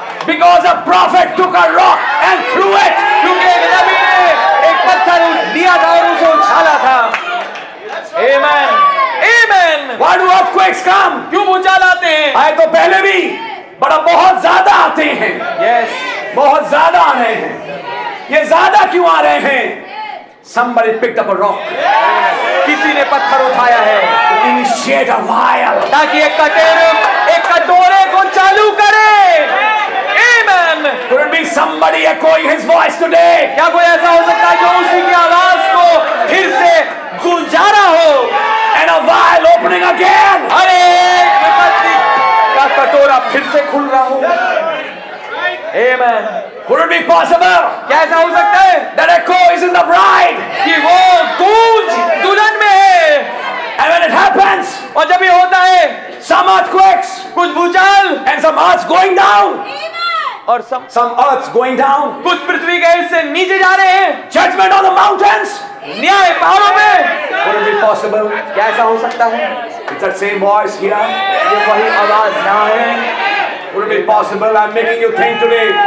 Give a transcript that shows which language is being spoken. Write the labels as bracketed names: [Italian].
[English] Because a prophet took a rock and threw it. [Hindi] क्योंकि एक नबी ने एक पत्थर लिया था और उसे उछाला था. [English] Amen. Amen. Why do earthquakes come? [Hindi] क्यों भूचाल आते हैं? आए तो पहले भी, बड़ा बहुत ज्यादा आते हैं। [English] Yes. [Hindi] बहुत ज्यादा आ रहे हैं। ये ज्यादा क्यों आ रहे हैं? [English] Somebody picked up a rock. [Hindi] किसी ने पत्थर उठाया है। [English] Initiate a fire. [Hindi] ताकि एक कटोरे को चालू करे। [English] Amen. Could it be somebody echoing his voice today? [Hindi] क्या कोई ऐसा हो सकता है जो उसी की आवाज को फिर से गुंजारा हो? [English] And a vial opening again. [Hindi] अरे विपत्ति का कटोरा फिर से खुल रहा हो। [English] Amen. Could it be possible? [Hindi] क्या ऐसा हो सकता है? [English] That echo is in the bride. [Hindi] कि वो गूंज दुल्हन में है। [English] And when it happens, [Hindi] और जब ये होता है, [English] some earthquakes, [Hindi] कुछ भूचाल, [English] and some earth going down, [Hindi] और [English] some earth going down, [Hindi] कुछ पृथ्वी के हिस्से नीचे जा रहे हैं, [English] judgment on the mountains, [Hindi] न्याय पहाड़ों पे, [English] would it be possible? [Hindi] क्या ऐसा हो सकता है? [English] It's the same voice here, [Hindi] ये वही आवाज यहाँ है, [English] would it be possible? I'm making you think today.